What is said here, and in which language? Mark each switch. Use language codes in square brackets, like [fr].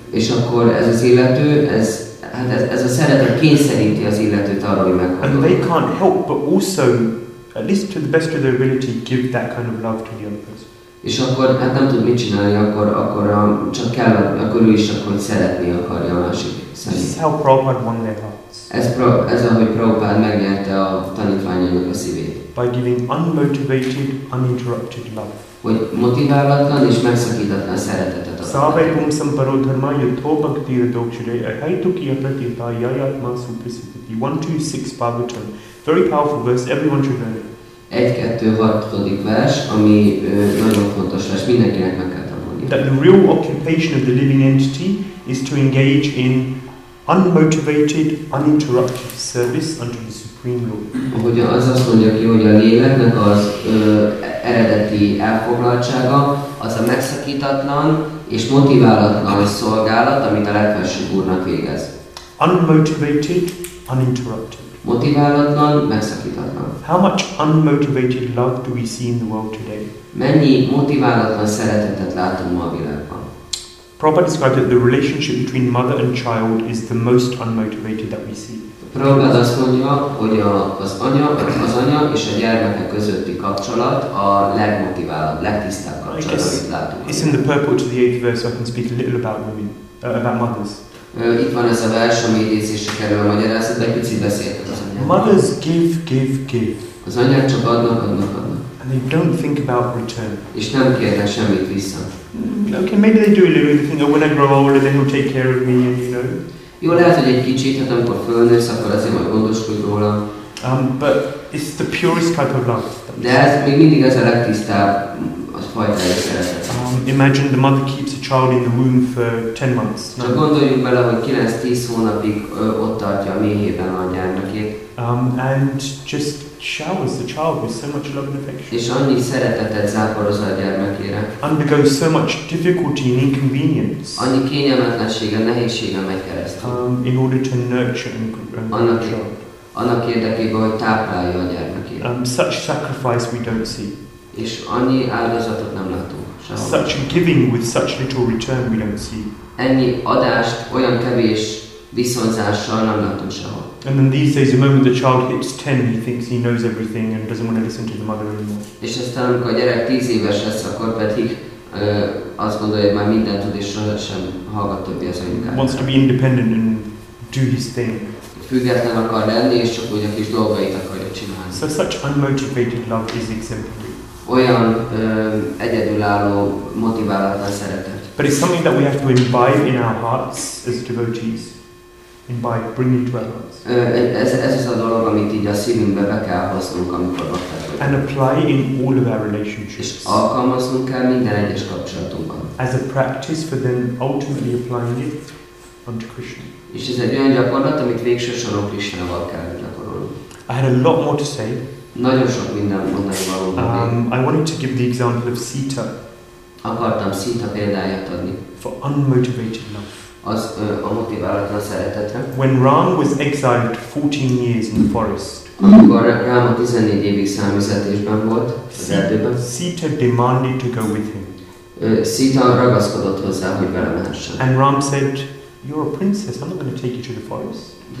[hu] És akkor ez az illető, ez a szeretet kényszeríti az illetőt arra, hogy meghallgatja. [en] And they can't help but also, at least to the best of their ability, give that kind of love to the other person. [hu] És akkor hát nem tud mit csinálni, akkor csak kell, akkor ő is akkor szeretni akarja a másik személyt. [en] This is how Prabhupada won their hearts. [hu] Ez ahogy Prabhupada megnyerte a tanítványainak a szívét. [en] By giving unmotivated, uninterrupted love. [hu] Hogy motiválatlan és megszakítatlan szeretetet adott. [sa] Szávai pum szamparó dharma yattho bhakti yadokshire ahaituki apratita yayatma supriszipiti 1-2-6 bhagavatam. [en] Very powerful verse, everyone should know. 1-2-6. [hu] Vers, ami nagyon fontos vers, mindenkinek meg kell tanulni. [en] That the real occupation of the living entity is to engage in unmotivated, uninterrupted service unto the Supreme Lord. [hu] Ahogy az mondja ki, hogy a léleknek az eredeti elfoglaltsága az a megszakítatlan és motiválatlan szolgálat, amit a legfelsőbb úrnak végez. [en] Unmotivated, uninterrupted. [hu] Motiválatlan, megszakítatlan. [en] How much unmotivated love do we see in the world today? [hu] Mennyi motiválatlan szeretetet látunk ma a világban? [en] Prabhupada described that the relationship between mother and child is the most unmotivated that we see. [hu] Prabhupada azt mondja, hogy az anya és a gyermekek közötti kapcsolat a legmotiválatlan, legtisztább kapcsolat, amit látunk. [en] It's in the purport of the 8th verse, so I can speak a little about women, about mothers. [hu] Itt van ez a vers, ami idézésre kerül a magyarázat, de picit beszélt az anyák. [en] Mothers give. [hu] Az anyák csak adnak. [en] And they don't think about return. [hu] És nem kérnek semmit vissza. [en] Okay, maybe they do a little thing, when I grow older, then he'll take care of me, and you know. [hu] Jó, lehet, hogy egy kicsit, hát amikor fölnősz, akkor azért majd gondoskodj róla. [en] But it's the purest type of love. [hu] De ez még mindig az a legtisztább, az fajtája szeretet. [en] Imagine the mother keeps a child in the womb for 10 months. [hu] Csak gondoljunk bele, hogy 9-10 hónapig ott tartja a méhében a gyermekét. [en] And just showers the child with so much love and affection. [hu] És annyi szeretetet záporoz a gyermekére. [en] Undergoes so much difficulty and inconvenience. [hu] Annyi kényelmetlensége, nehézsége megy keresztül. [en] In order to nurture and grow [hu] annak, [en] the child. [hu] Annak érdekében, hogy táplálja a gyermekét. [en] Such sacrifice we don't see. [hu] És annyi áldozatot nem látunk. Sehol. [en] Such giving with such little return we don't see. [hu] Ennyi adást olyan kevés viszonzással nem látunk sehol. [en] And then these days, the moment the child hits 10, he thinks he knows everything and doesn't want to listen to the mother anymore. [hu] És aztán, amikor a gyerek 10 éves lesz, akkor pedig azt gondolja, hogy már mindent tud és soha sem hallgat többi az anyukát. [en] Wants to be independent and do his thing. [hu] Független akar lenni és csak úgy a kis dolgait akarja csinálni. [en] So such unmotivated love is exemplary. [hu] Olyan egyedülálló, motiválatlan szeretet. [en] But it's something that we have to imbibe in our hearts as devotees. Imbibe, bring it to our hearts. [hu] Ez az a dolog, amit így a szívünkbe be kell hoznunk, amikor ott vagyunk. [en] And apply in all of our relationships. [hu] És alkalmaznunk kell minden egyes kapcsolatunkban. [en] As a practice for then ultimately applying it unto Krishna. [hu] És ez egy olyan gyakorlat, amit végső soron Krishnával kell gyakorolni. [en] I had a lot more to say. [hu] Nagyon sok minden mondani való. [en] I wanted to give the example of Sita. [hu] Akartam Sita példáját adni. [en] For unmotivated love. [hu] Az a motiválatlan szeretetre. [en] When Ram was exiled 14 years in the forest. [hu] Amikor Ráma 14 évig számüzetésben volt az erdőben. [en] Sita demanded to go with him. [hu] Sita ragaszkodott hozzá, hogy vele mehessen. [en] And Ram said, "You're a princess. I'm not going to take you to the forest."